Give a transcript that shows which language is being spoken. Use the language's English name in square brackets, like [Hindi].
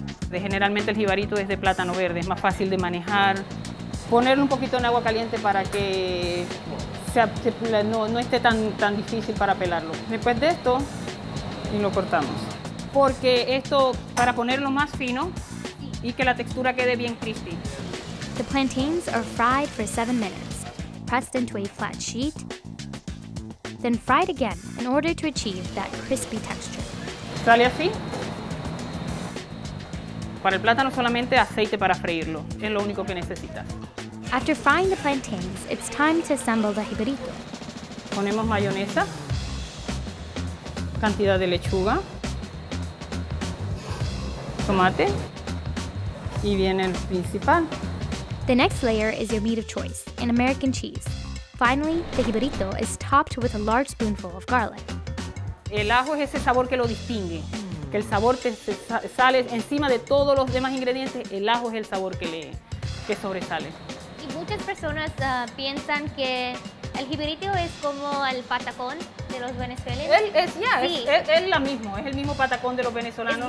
[Spanish] Generalmente el jibarito es de plátano verde, es más fácil de manejar. Ponerlo un poquito en agua caliente para que no esté tan difícil para pelarlo. Después de esto, y lo cortamos. Porque esto, para ponerlo más fino y que la textura quede bien crispy. [English] The plantains are fried for 7 minutes, pressed into a flat sheet, then fried again in order to achieve that crispy texture. [Spanish] Sale así. Para el plátano solamente aceite para freírlo, es lo único que necesitas. [English] After frying the plantains, it's time to assemble the jibarito. [Spanish] Ponemos mayonesa, cantidad de lechuga, tomate, y viene el principal. [English] The next layer is your meat of choice, an American cheese. Finally, the jibarito is topped with a large spoonful of garlic. [Spanish] El ajo es ese sabor que lo distingue. Que el sabor te sale encima de todos los demás ingredientes, el ajo es el sabor que le, que sobresale. Y muchas personas piensan que el jibirito es como el patacón de los venezolanos. Es el mismo patacón de los venezolanos.